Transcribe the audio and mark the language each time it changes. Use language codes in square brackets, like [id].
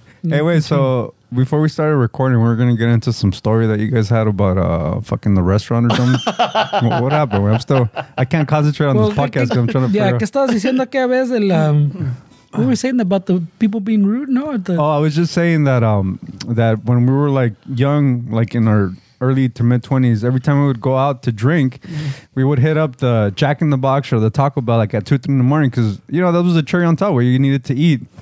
[en] Hey, wait, so before we started recording, we're going to get into some story that you guys had about fucking the restaurant or something. What happened? I can't concentrate on this podcast because I'm trying to figure out. [es] ¿Qué estabas diciendo aquí a veces? [en] What were we saying about the people being rude? No, I was just saying that that when we were like young, like in our early to mid-20s, every time we would go out to drink, we would hit up the Jack in the Box or the Taco Bell like at 2-3 in the morning because, you know, that was a cherry on top where you needed to eat.